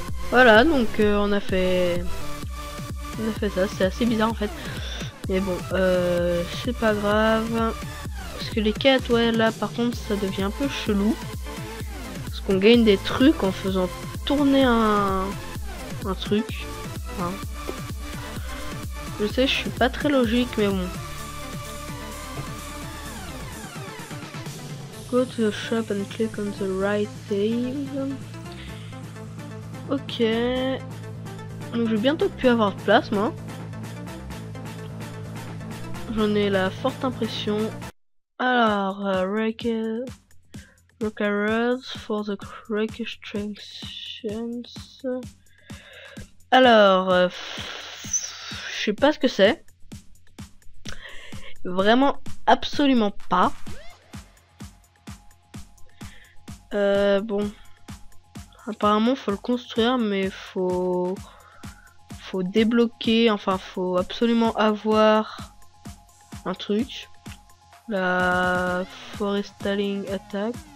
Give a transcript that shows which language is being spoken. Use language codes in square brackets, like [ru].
[fr] Voilà, donc on a fait ça, c'est assez bizarre en fait, mais bon, c'est pas grave, parce que les quêtes, ouais, là par contre ça devient un peu chelou, parce qu'on gagne des trucs en faisant tourner un truc, hein. Je sais, je suis pas très logique, mais bon. [en] Go to the shop and click on the right save. [fr] Ok, donc je vais bientôt plus avoir de place, moi. J'en ai la forte impression. Alors, [en] requirements for the reconstructions. [fr] Alors, je sais pas ce que c'est. Vraiment, absolument pas. Bon. Apparemment, faut le construire, mais faut débloquer, enfin, faut absolument avoir un truc. [en] La forestalling attack.